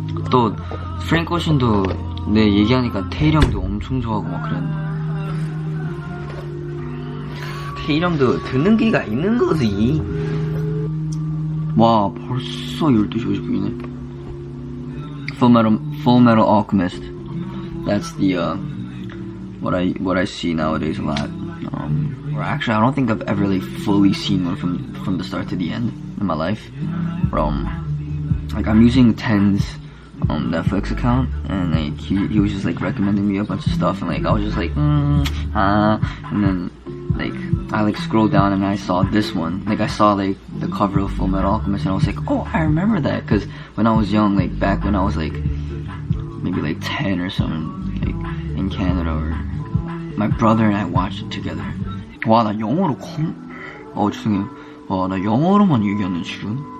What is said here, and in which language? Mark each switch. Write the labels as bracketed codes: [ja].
[ko] 또 프랭크 오션도 내 얘기하니까 테일 형도 엄청 좋아하고 막 그랬네. 테일 형도 듣는 기가 있는 거지. 와, 벌써 12시 50분이네. [en] Full Metal Alchemist. That's the what I see nowadays a lot. Or actually, I don't think I've ever really fully seen one from the start to the end in my life. But, like, I'm using Ten's Netflix account, and like he was just like recommending me a bunch of stuff, and like I was just like, and then like I like scrolled down and I saw this one, like I saw like the cover of Full Metal Alchemist, and I was like, oh, I remember that, because when I was young, like back when I was like maybe like 10 or something, like in Canada, or my brother and I watched it together. [ko] 와, 나 영어로 컴. 어, 죄송해요. 와, 나 영어로만 얘기하는 지금.